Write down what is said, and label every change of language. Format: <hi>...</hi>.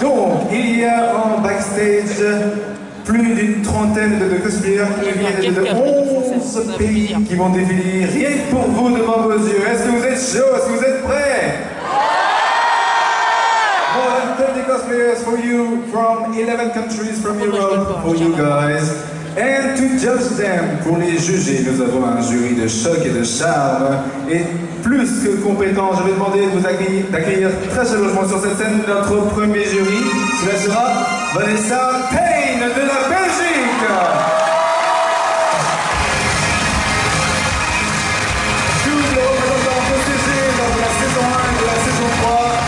<fr>Donc, il y a en backstage plus d'une trentaine de cosplayers qui viennent de 11 pays qui vont défiler rien que pour vous devant vos yeux. Est-ce que vous êtes chaud? Est-ce que vous êtes prêts?</fr> <en>More than 30 cosplayers for you from 11 countries from Europe for you guys. And to judge them,</en> <fr>pour les juger, nous avons un jury de choc et de charme. Et plus que compétent, je vais demander de vous d'accueillir très chaleureusement sur cette scène notre premier jury. Cela sera Vanessa Payne de la Belgique. Tous les représentants de CG dans la saison 1 et de la saison 3.</fr>